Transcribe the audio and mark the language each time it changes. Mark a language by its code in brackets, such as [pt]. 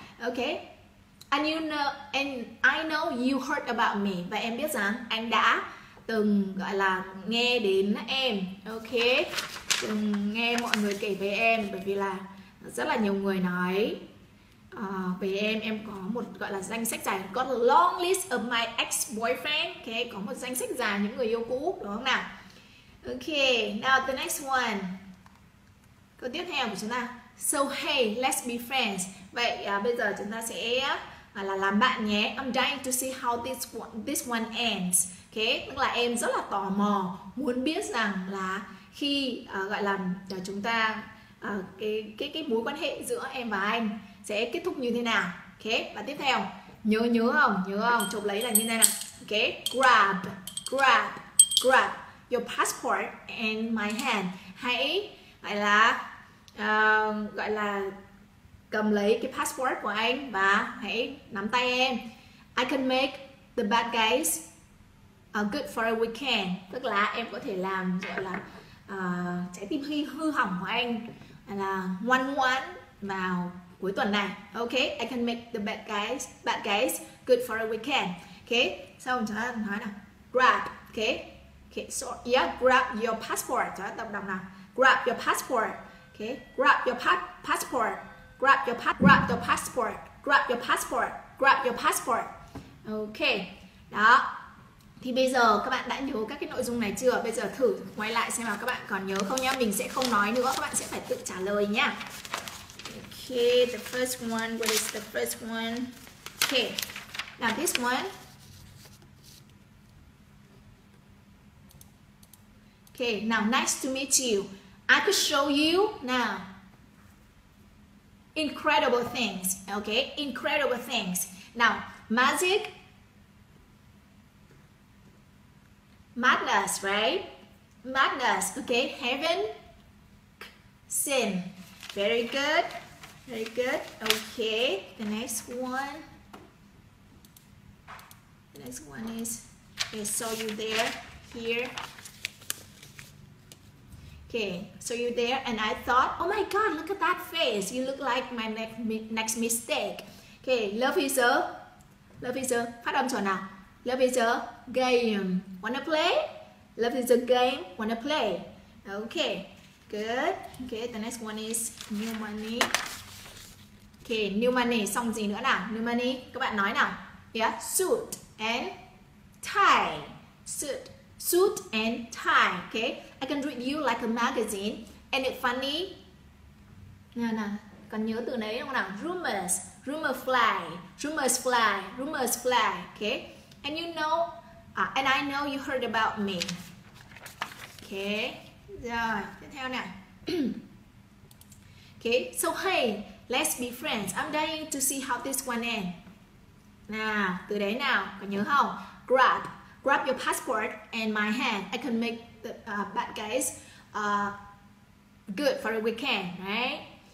[en] Ok, and you know, and I know you heard about me. [vi] Và em biết rằng anh đã từng gọi là nghe đến em. Ok, từng nghe mọi người kể về em, bởi vì là rất là nhiều người nói về em có một gọi là danh sách dài, [en] got a long list of my ex-boyfriend. [vi] Ok, có một danh sách dài những người yêu cũ, đúng không nào? Ok, [en] now the next one. [vi] Câu tiếp theo của chúng ta, [en] so hey, let's be friends. [vi] Vậy bây giờ chúng ta sẽ là làm bạn nhé. [en] I'm dying to see how this one ends. [vi] Ok, tức là em rất là tò mò, muốn biết rằng là khi gọi là chúng ta cái mối quan hệ giữa em và anh sẽ kết thúc như thế nào. Ok, và tiếp theo, nhớ không, chụp lấy là như thế nào. [en] Ok, grab, grab, grab your passport in my hand. [vi] Hãy gọi là cầm lấy cái passport của anh và hãy nắm tay em. [en] I can make the bad guys good for a weekend. [vi] Tức là em có thể làm gọi là trái tim hư hỏng của anh là ngoan ngoãn vào cuối tuần này. [en] Ok, I can make the bad guys good for a weekend. [vi] Ok, sau chúng ta nói nào, grab. Ok, okay. [en] So, yeah, grab your passport. [vi] Chúng ta tập đọc nào, [en] grab your passport. Ok, grab your passport. Grab your passport, grab your passport, grab your passport, grab your passport. [vi] Ok, đó. Thì bây giờ các bạn đã nhớ các cái nội dung này chưa? Bây giờ thử quay lại xem là các bạn còn nhớ không nhá. Mình sẽ không nói nữa, các bạn sẽ phải tự trả lời nhá. [en] Ok, the first one, what is the first one? Ok, now this one. Ok, now nice to meet you. I could show you now incredible things. Okay, incredible things. Now, magic, madness, right? Madness. Okay, heaven, sin. Very good. Very good. Okay, the next one. The next one is, I saw you there, here. Okay, so you're there, and I thought, oh my God, look at that face. You look like my next mistake. Okay, love is a, [vi] phát âm chỗ nào? [en] Love is a game. Wanna play? Love is a game. Wanna play? Okay, good. Okay, the next one is new money. [vi] Okay, new money, xong gì nữa nào? New money, các bạn nói nào? [en] Yeah, suit and tie. Suit. Suit and tie, okay? I can read you like a magazine. And it's funny. [vi] Nào nào, còn nhớ từ đấy không nào? [en] Rumors, rumor fly, rumors fly, rumors fly, okay? And you know, and I know you heard about me. Okay, [vi] rồi, tiếp theo nè. [en] Okay, so hey, let's be friends. I'm dying to see how this one ends. [vi] Nào, từ đấy nào, còn nhớ không? [en] Grab. Grab your passport and my hand. I can make the bad guys good for the weekend, right?